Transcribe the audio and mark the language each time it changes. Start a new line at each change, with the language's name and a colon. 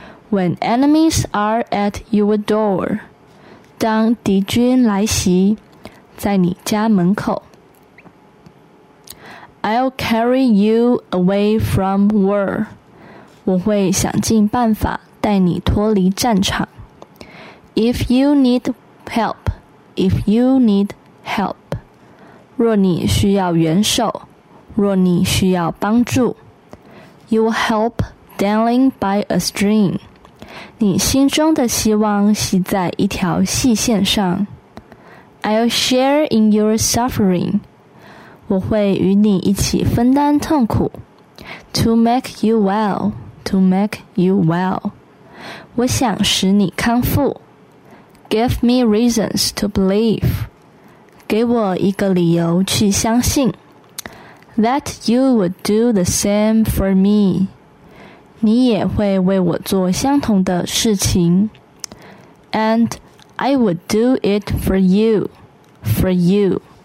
English: When enemies are at your door.
Chinese: 当敌军来袭在你家门口。
English: I'll carry you away from war.
Chinese: 我会想尽办法带你脱离战场。
English: If you need help, if you need help.
Chinese: 若你需要援手，若你需要帮助。
English: You'll help dangling by a string.
Chinese: 你心中的希望系在一条细线上。
English: I'll share in your suffering.
Chinese: 我会与你一起分担痛苦。
English: To make you well, to make you well.
Chinese: 我想使你康复。
English: Give me reasons to believe.
Chinese: 给我一个理由去相信
English: That you would do the same for me
Chinese: 你也会为我做相同的事情
English: And I would do it for you For you